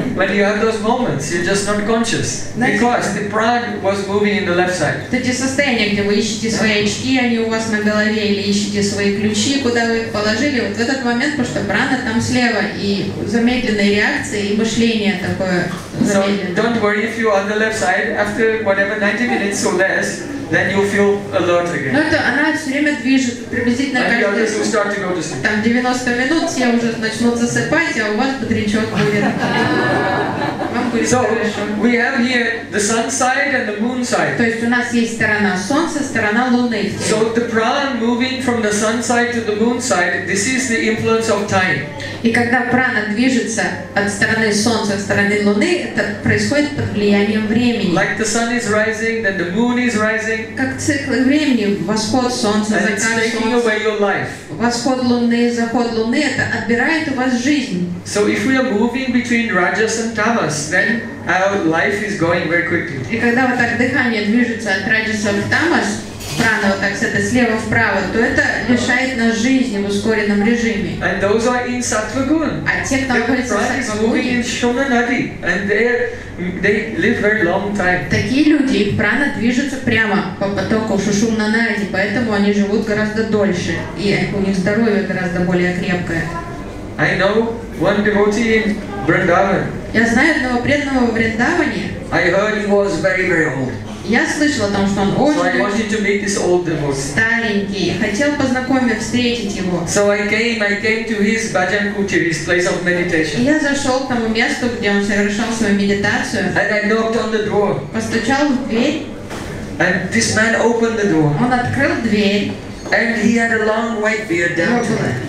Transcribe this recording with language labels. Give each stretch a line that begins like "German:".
English: When you have those moments, you're just not conscious, because the prana was moving in the left side.
Russian: Это те состояния, где вы ищете свои очки, они у вас на голове, или ищете свои ключи, куда вы их положили, вот в этот момент, потому что прана там слева, и замедленная реакция, и мышление такое.
English: So don't worry if you're on the left side after whatever 90 minutes or less, then you'll feel alert again.
Russian: Но это она все время движет приблизительно каждые. Там 90 минут, все уже начнут засыпать, а у вас бодрячок будет. Вам будет
English: so,
Russian: хорошо.
English: We have here the sun side and the moon side.
Russian: То есть у нас есть сторона солнца, сторона луны.
English: So the prana moving from the sun side to the moon side, this is the influence of time.
Russian: И когда прана движется от стороны солнца к стороне луны, это происходит под влиянием времени.
English: Like the sun is rising, then the moon is rising.
Russian: Как цикл времени, восход солнца, закат солнца.
English: And it's taking away your life.
Russian: Восход луны, заход луны, это отбирает у вас жизнь.
English: So if we are moving between rajas and tamas, then our life is going very quickly.
Russian: И когда вот так дыхание движется от раджасов в тамас, прана вот так с этой слева вправо, то это лишает нас жизни в ускоренном режиме.
English: And those are in sattva-gun.
Russian: А те, кто находится в сатва-гуне,
English: they are in shomanadi, and they live very long time.
Russian: Такие люди, их прана движется прямо по потоку шушумнанади, поэтому они живут гораздо дольше, и у них здоровье гораздо более крепкое.
English: I know one devotee in Vrindavan.
Russian: Я знаю одного преданного в Вриндаване.
English: I heard he was very, very old.
Russian: Я слышал о том, что он очень старенький. Хотел встретить его.
English: So I came to his bhajan kutir, his place of meditation.
Russian: Я зашел к тому месту, где он совершал свою медитацию.
English: And I knocked on the door.
Russian: Постучал в дверь.
English: And this man opened the door.
Russian: Он открыл дверь.
English: And he had a long white beard down to him.